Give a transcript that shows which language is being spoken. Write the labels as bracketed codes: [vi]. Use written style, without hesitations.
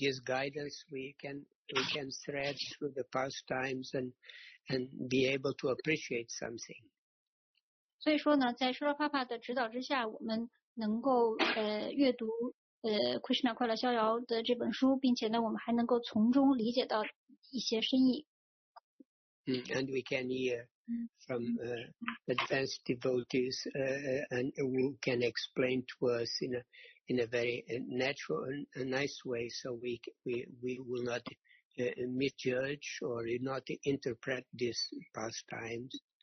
[en] this guidance, we can thread through the pastimes and be able to appreciate something. [zh] 所以说呢，在施乐帕帕的指导之下，我们能够阅读 Krishna 快乐逍遥的这本书，并且呢，我们还能够从中理解到一些深意。 [en] And we can hear from advanced devotees and who can explain to us in a very natural and nice way, so we will not misjudge or not interpret these pastimes.